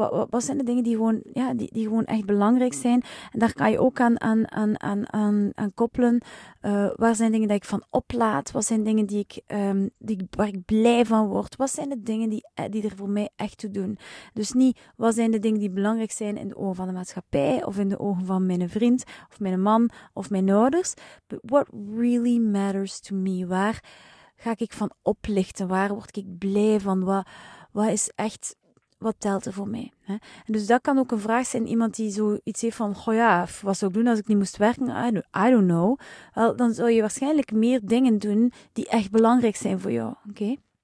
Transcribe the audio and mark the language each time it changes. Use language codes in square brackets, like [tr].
[nl] Wat zijn de dingen die gewoon echt belangrijk zijn? En daar kan je ook aan koppelen. Waar zijn dingen die ik van oplaad? Wat zijn dingen waar ik blij van word? Wat zijn de dingen die er voor mij echt toe doen? Dus niet wat zijn de dingen die belangrijk zijn in de ogen van de maatschappij of in de ogen van mijn vriend of mijn man of mijn ouders. [en] But what really matters to me? [nl] Waar ga ik van oplichten? Waar word ik blij van? Wat is echt, wat telt er voor mij? Hè? En dus dat kan ook een vraag zijn, iemand die zoiets heeft van, goh ja, wat zou ik doen als ik niet moest werken? [en] I don't know. [nl] Wel, dan zou je waarschijnlijk meer dingen doen die echt belangrijk zijn voor jou. Okay?